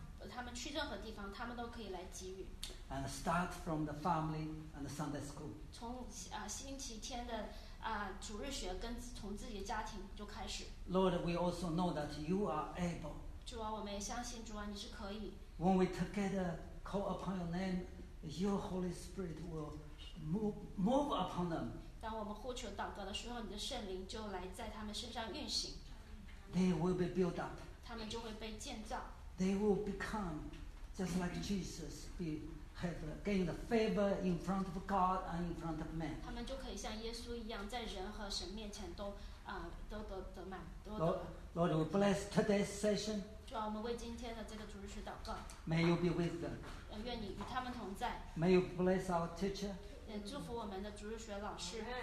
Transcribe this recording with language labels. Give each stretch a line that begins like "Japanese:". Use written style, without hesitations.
Chinese: 他们去任何地方，他们都可以来给予。
English: And start from the family and the Sunday school.
Chinese: 从星期天的主日学跟从自己的家庭就开始。
English: Lord, we also know that you are able.
Chinese: 主啊，我们也相信主啊，你是可以。
English: When we together call upon your name, your Holy Spirit will move upon them.
Chinese: 当我们呼求祷告的时候，你的圣灵就来在他们身上运行。
English: They will be built up.
Chinese: 他们就会被建造。
English: They will become just like Jesus, have gained favor in front of God and in front of man.
Chinese: 他们就可以像耶稣一样，在人和神面前都满。
English: Lord, we bless today's session.
Chinese: 主啊，我们为今天的这个主日学祷告。
English: May you be with them.
Chinese: 愿你与他们同在。
English: May you bless our teacher.
Chinese: 也祝福我们的主日学老师。